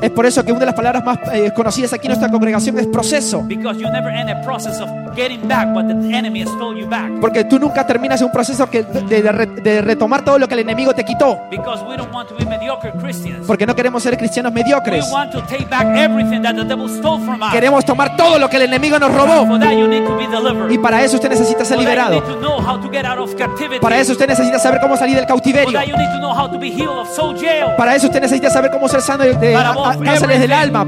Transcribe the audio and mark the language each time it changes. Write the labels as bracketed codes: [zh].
[es] Es por eso que una de las palabras más conocidas aquí en nuestra congregación es proceso. [en] Because you never end a process of getting back what the enemy has stole you back. [es] Porque tú nunca terminas un proceso que de retomar todo lo que el enemigo te quitó. [en] Because we don't want to be mediocre Christians. [es] Porque no queremos ser cristianos mediocres. [en] We want to take back everything that the devil stole from us. [es] Queremos tomar todo lo que el enemigo nos robó. [en] For that you need to be delivered. [es] Y para eso usted necesita ser liberado. [en] You need to know how to get out of captivity. [es] Para eso usted necesita saber cómo salir del cautiverio. [en] For that you need to know how to be healed of soul jail. [es] Para eso usted necesita saber cómo ser sano de cárceles del alma.